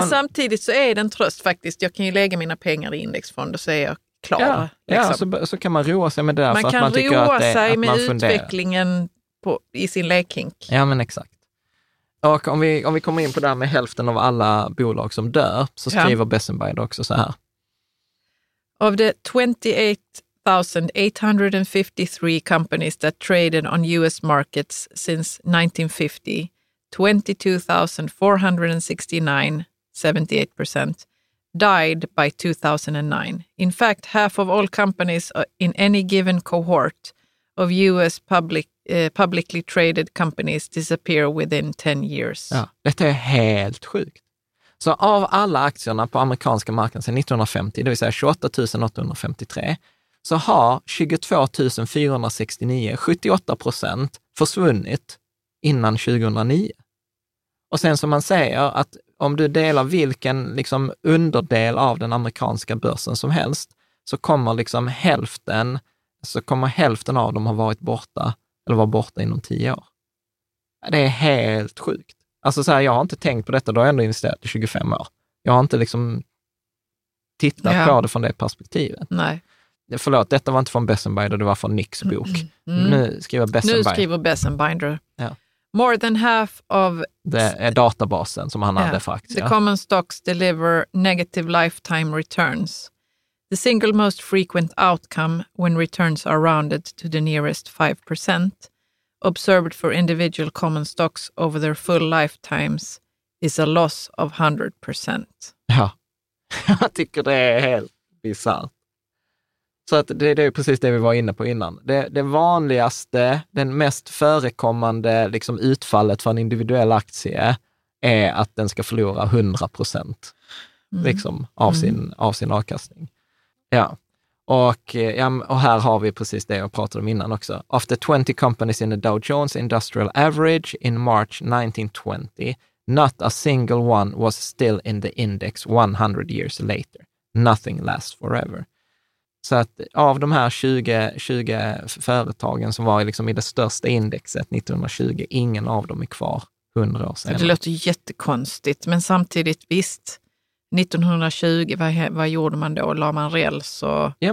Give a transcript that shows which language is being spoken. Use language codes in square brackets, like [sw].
[sv] Men samtidigt så är det en tröst faktiskt. Jag kan ju lägga mina pengar i indexfond och säga klar. Så kan man roa sig med det. Man kan roa sig med utvecklingen i sin lekhink. Ja, men exakt. Och om vi kommer in på det här med hälften av alla bolag som dör, så skriver Bessenbein också så här. [en] Of the 28,853 companies that traded on US markets since 1950, 22,469, 78%, died by 2009. In fact, half of all companies in any given cohort of US publicly traded companies disappear within 10 years. [sv] Ja, detta är helt sjukt. Så av alla aktierna på amerikanska marknaden sedan 1950, det vill säga 28,853, så har 22,469, 78%, försvunnit innan 2009. Och sen som man säger att om du delar vilken liksom underdel av den amerikanska börsen som helst, så kommer liksom hälften av dem ha varit borta eller var borta inom 10 år. Det är helt sjukt. Alltså så här, jag har inte tänkt på detta, då har jag ändå investerat i 25 år. Jag har inte liksom tittat på det från det perspektivet. Nej. Förlåt, detta var inte från Bessenbinder, det var från Nicks bok. Nu skriver Bessenbinder. Ja. [en] More than half of [sv] databasen som han hade faktiskt. [en] The common stocks deliver negative lifetime returns. The single most frequent outcome when returns are rounded to the nearest 5% observed for individual common stocks over their full lifetimes is a loss of 100%. [sv] Ja, jag tycker det är helt bisarrt. Så att det är precis det vi var inne på innan. Det vanligaste, den mest förekommande liksom utfallet för en individuell aktie är att den ska förlora 100% liksom av sin avkastning. Ja. Och här har vi precis det jag pratade om innan också. [en] Of the 20 companies in the Dow Jones Industrial Average in March 1920, not a single one was still in the index 100 years later. Nothing lasts forever. [sv] Så att av de här 20 företagen som var liksom i det största indexet 1920, ingen av dem är kvar 100 år senare. Det låter jättekonstigt, men samtidigt visst, 1920, vad gjorde man då? La man räls och